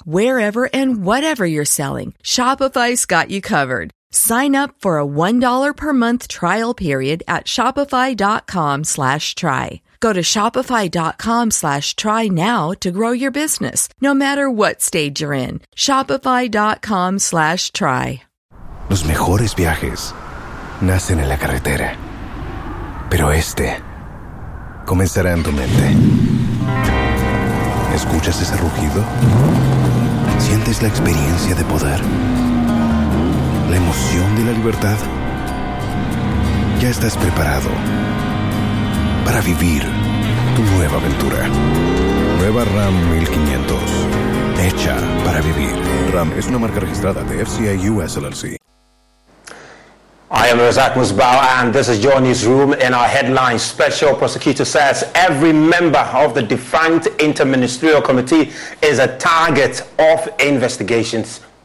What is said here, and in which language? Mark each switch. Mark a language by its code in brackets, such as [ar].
[en] Wherever and whatever you're selling, Shopify's got you covered. Sign up for a $1 per month trial period at shopify.com/try. Go to shopify.com/try now to grow your business, no matter what stage you're in. Shopify.com/try. [es] Los mejores viajes nacen en la carretera, pero este comenzará en tu mente. ¿Escuchas ese rugido? ¿Sientes la experiencia de poder? ¿La emoción de la libertad? Ya estás preparado para vivir tu nueva aventura. Nueva Ram 1500. Hecha para vivir. Ram es una marca registrada de FCA US LLC. [en] I am Razak Musbau, and this is Your Newsroom. In our headline, special prosecutor says every member of the defunct interministerial committee is a target of investigations.